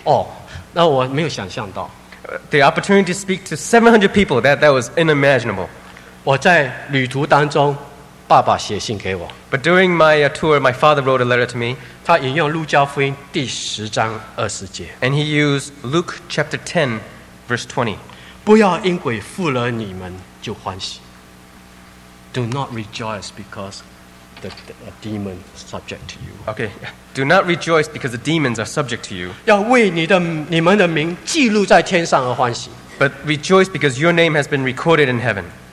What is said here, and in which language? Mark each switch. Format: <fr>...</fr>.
<zh>有机会讲道给700人听，哦，那我没有想象到。</zh> <en>The opportunity to speak to 700 people, that was unimaginable.</en> <zh>我在旅途当中, 爸爸写信给我。</zh> <en>But during my tour, my father wrote a letter to me.</en> <zh>他引用路加福音第10章20节。</zh> <en>And he used Luke chapter 10, verse 20.</en> <zh>不要因鬼附了你们就欢喜。</zh> <en>Do not rejoice because a demon subject to you. Okay. Do not rejoice because the demons are subject to you.</en> <zh>要为你们的名记录在天上而欢喜。</zh> <en>But rejoice because your name has been recorded in heaven.</en>